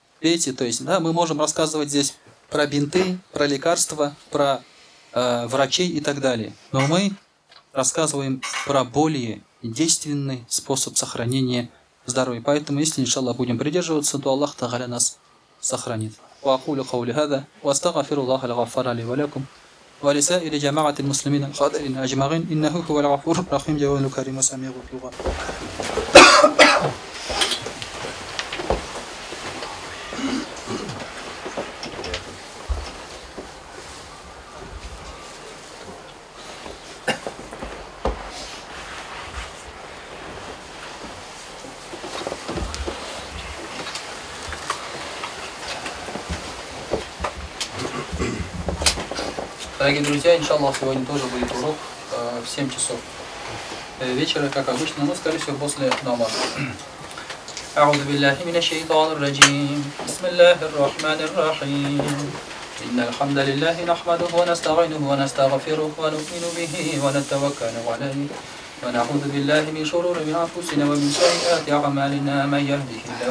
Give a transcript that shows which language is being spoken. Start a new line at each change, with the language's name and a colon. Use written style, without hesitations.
Russian: Видите, то есть, да, мы можем рассказывать здесь про бинты, про лекарства, про врачей и так далее. Но мы рассказываем про более действенный способ сохранения здоровье. Поэтому, если, иншаллах, будем придерживаться, то Аллах Тагаля нас сохранит.
Arabic: وأقول قولي هذا وأستغفر الله الغفار لي ولكم ولسائر جماعة المسلمين الخاطئين أجمعين إنه هو الغفور الرحيم جواد الكريم وسميع الدعاء.
Russian: Дорогие друзья, иншаллах, сегодня тоже будет урок в 7 часов вечера, как обычно, но, скорее всего, после намаза.
Arabic: أعوذ بالله من الشيطان الرجيم بسم الله الرحمن الرحيم إن الحمد لله نحمده ونستعينه ونستغفره ونؤمن به ونتوكل عليه ونعوذ بالله من شرور أنفسنا ومن سيئات أعمالنا من يهده